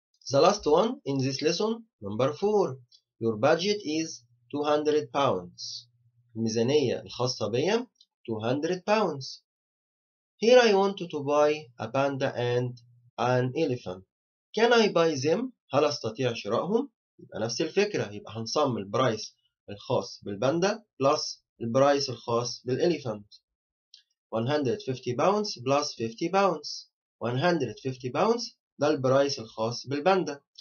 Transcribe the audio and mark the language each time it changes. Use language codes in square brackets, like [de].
[en] The last one in this lesson, number 4. Your budget is 200 pounds. [ar] الميزانية الخاصة بي 200 pounds. [en] Here I want to buy a panda and an elephant. Can I buy them? [ar] هل أستطيع شرائهم؟ يبقى نفس الفكرة. يبقى هنصمم البرايس الخاص بالباندا [en] plus [ar] البرايس الخاص بالإليفانت. 150 pounds plus 50 pounds. 150 pounds ده البرايس الخاص بالباندا.